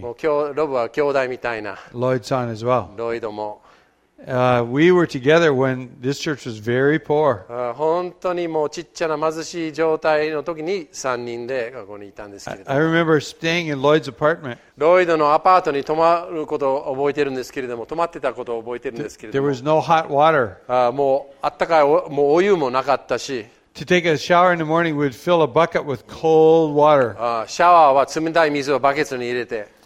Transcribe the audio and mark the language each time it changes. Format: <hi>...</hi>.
<ja>もう今日ロブは兄弟みたいな。</ja> <en>Lloyd's son as well.</en> <ja>ロイドも。</ja> <en>We were together when this church was very poor.</en> <ja>本当にもうちっちゃな貧しい状態の時に3人でここにいたんですけれども。</ja> <en>I remember staying in Lloyd's apartment.</en> <ja>ロイドのアパートに泊まることを覚えてるんですけれども、泊まってたことを覚えてるんですけれども。</ja> <en>There was no hot water.</en> <ja>もうあったかいもうお湯もなかったし。</ja> <en>To take a shower in the morning, we'd fill a bucket with cold water.</en> <ja>シャワーは冷たい水をバケツに入れて。</ja>